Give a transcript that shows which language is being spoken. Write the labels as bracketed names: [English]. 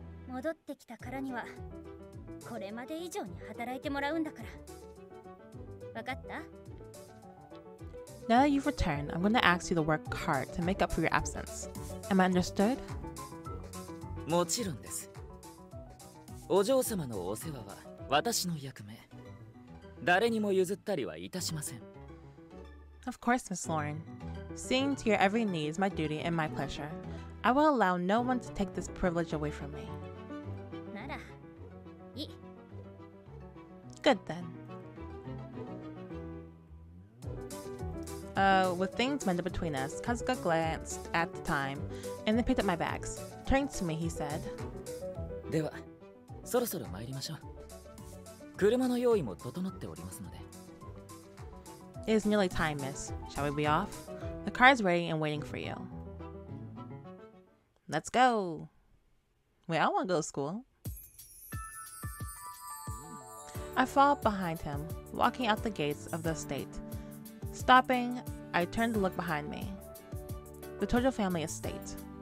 [Japanese] 戻ってきたからには、これまで以上に働いてもらうんだから。分かった? [English] Now that you've returned, I'm going to ask you to work hard to make up for your absence. Am I understood? [Japanese] もちろんです。お嬢様のお世話は私の役目。誰にも譲ったりはいたしません。 [English] Of course, Miss Lauren. Seeing to your every need is my duty and my pleasure. I will allow no one to take this privilege away from me. [Japanese] ならいい。 [English] Good then. With things mended between us, Kazuka glanced at the time and then picked up my bags. Turning to me, he said, [Japanese] では、そろそろ参りましょう。車の用意も整っておりますので。 [English] It is nearly time, miss. Shall we be off? The car is ready and waiting for you. Let's go! We all want to go to school. I followed behind him, walking out the gates of the estate. Stopping, I turned to look behind me. The Tojo family estate.